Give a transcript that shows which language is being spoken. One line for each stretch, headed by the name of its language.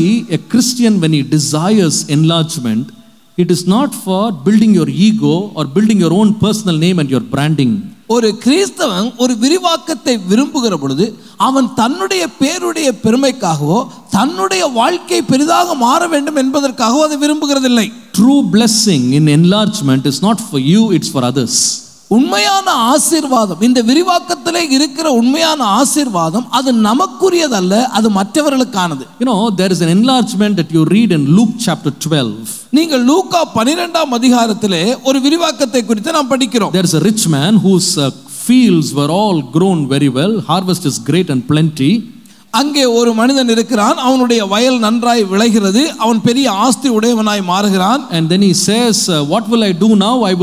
English: See, a Christian when he desires enlargement, it is not for building your ego or building your own personal name and your branding.
Tamil: ஒரு கிறிஸ்தவன் ஒரு விரிவாக்கத்தை விரும்புகிற பொழுது அவன் தன்னுடைய பேருடைய பெருமைக்காகவோ தன்னுடைய வாழ்க்கை பெரிதாக மாற வேண்டும் என்பதற்காகவோ அதை விரும்புகிறதில்லை.
English: True blessing in enlargement is not for you, it's for others.
Tamil: உண்மையான ஆசீர்வாதம், இந்த விரிவாக்கத்திலே இருக்கிற உண்மையான ஆசீர்வாதம் அது நமக்குரியதல்ல, அது மற்றவர்களுக்கானது.
English: You know, there is an enlargement that you read in Luke chapter 12.
Tamil: நீங்கள் லூக்கா 12 அதிகாரத்திலே ஒரு விரிவாக்கத்தை குறித்து நாம் படிக்கிறோம்.
English: There is a rich man whose fields were all grown very well, harvest is great and plenty.
Tamil: அங்கே ஒரு மனிதன் இருக்கிறான், அவனுடைய வயல் நன்றாய் விளைகிறது, அவன் பெரிய ஆஸ்தி உடையவனாய் மாறுகிறான்.
English: And then he says, what will I do now?